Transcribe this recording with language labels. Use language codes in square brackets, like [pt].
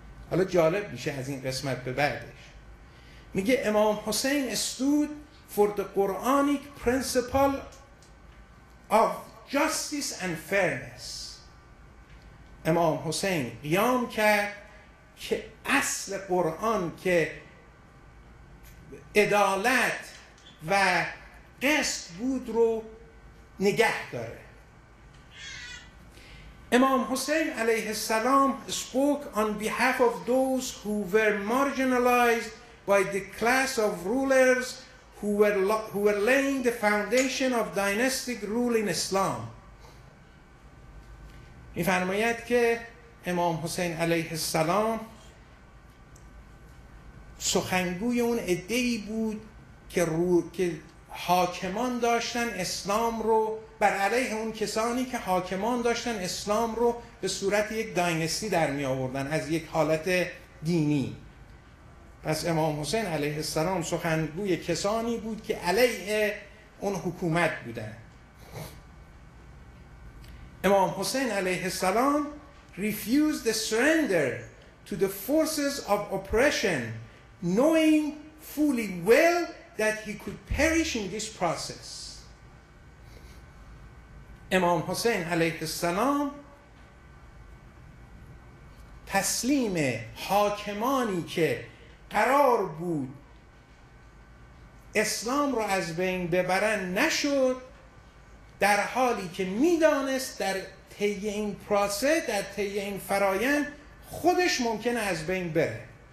[fa] حالا جالب میشه از این قسمت به بعدش. میگه امام حسین [en] Stood for the Quranic principle of justice and fairness. [fa] امام حسین قیام کرد که اصل قرآن که عدالت و قسط بود رو نگه داره. [en] امام حسین علیه السلام spoke on behalf of those who were marginalized by the class of rulers who were laying the foundation of dynastic rule in Islam. [fa] می فرماید که امام حسین علیه السلام سخنگوی اون عده‌ای بود که حاکمان داشتن اسلام رو بر علیه اون کسانی که حاکمان داشتن اسلام رو به صورت یک داینستی در می آوردن از یک حالت دینی. پس امام حسین علیه السلام سخنگوی کسانی بود که علیه اون حکومت بودن. [en] امام حسین علیه السلام refused the surrender to the forces of oppression knowing fully well that he could perish in this process. [fa] امام حسین علیه السلام تسلیم حاکمانی که قرار بود اسلام را از بین ببرن نشد، در حالی که میدانست در طی این پروسه، در طی این فرایند خودش ممکنه از بین بره.